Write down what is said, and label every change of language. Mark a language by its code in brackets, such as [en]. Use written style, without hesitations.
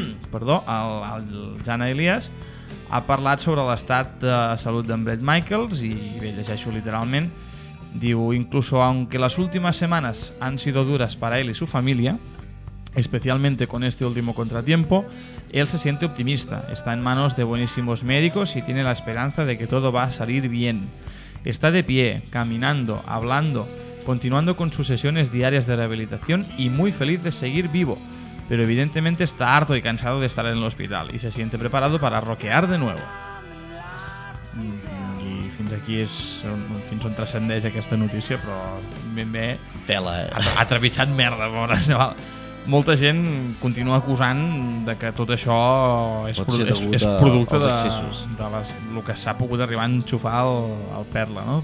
[ca] perdó, el Jan Elias, ha parlat sobre l'estat de salut d'en Bret Michaels i bé, llegeixo literalment, diu: [es] "Incluso aunque las últimas semanas han sido duras para él y su familia, especialmente con este último contratiempo, él se siente optimista. Está en manos de buenísimos médicos y tiene la esperanza de que todo va a salir bien. Está de pie, caminando, hablando, continuando con sus sesiones diarias de rehabilitación y muy feliz de seguir vivo. Pero evidentemente está harto y cansado de estar en el hospital y se siente preparado para roquear de nuevo." [ca] I fins aquí és fins on transcendeix aquesta notícia, però ben bé tela, ha trepitjat merda, pobra. Molta gent continua acusant de que tot això és producte de les, el que s'ha pogut arribar a enxufar al Perla, no?